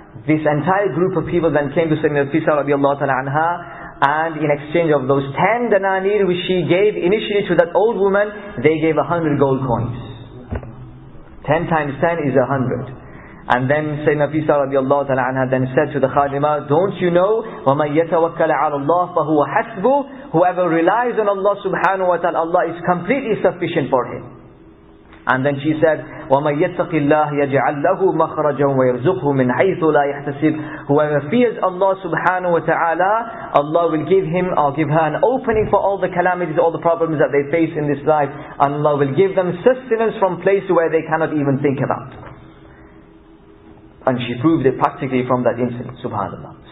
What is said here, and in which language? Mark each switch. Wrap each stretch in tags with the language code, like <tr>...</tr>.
<en>This entire group of people then came to Sayyidina Fisa radiallahu ta'ala anha, and in exchange of those 10 dinar which she gave initially to that old woman, they gave 100 gold coins. 10 times 10 is 100. And then Sayyidina Fisa radiallahu ta'ala anha then said to the khadima, don't you know,</en> <ar>وَمَنْ يَتَوَكَّلَ عَلَى اللَّهِ فَهُوَ حَسْبُهُ.</ar> <en>Whoever relies on Allah subhanahu wa ta'ala, Allah is completely sufficient for him. And then she said,</en> <ar>وَمَنْ يَتَّقِ اللَّهِ يَجْعَلْ لَهُ مَخْرَجًا وَيَرْزُقْهُ مِنْ حَيْثُ لَا يَحْتَسِبُ.</ar> <en>Whoever fears Allah subhanahu wa ta'ala, Allah will give him or give her an opening for all the calamities, all the problems that they face in this life. And Allah will give them sustenance from places where they cannot even think about. And she proved it practically from that incident, subhanAllah.</en>